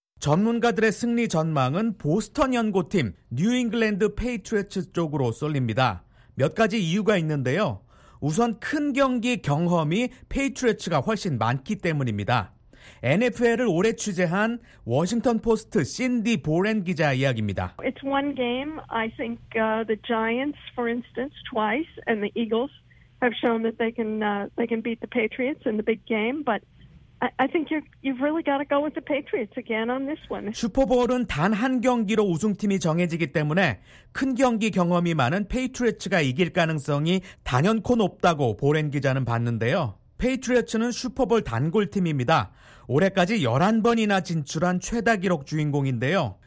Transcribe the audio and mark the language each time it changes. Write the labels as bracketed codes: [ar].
[ko] 전문가들의 승리 전망은 보스턴 연고팀 뉴잉글랜드 페이트리어츠 쪽으로 쏠립니다. 몇 가지 이유가 있는데요. 우선 큰 경기 경험이 페이트리어츠가 훨씬 많기 때문입니다. NFL을 올해 취재한 워싱턴 포스트 신디 보렌 기자 이야기입니다. [en] It's one game. I think the Giants, for instance, twice, and the Eagles have shown that they can beat the Patriots in the big game. But I think you've really got to go with the Patriots again on this one. [ko] 슈퍼볼은 단 한 경기로 우승팀이 정해지기 때문에 큰 경기 경험이 많은 페이트리어츠가 이길 가능성이 단연코 높다고 보렌 기자는 봤는데요. 페이트리어츠는 슈퍼볼 단골팀입니다. 올해까지 11번이나 진출한 최다 기록 주인공인데요.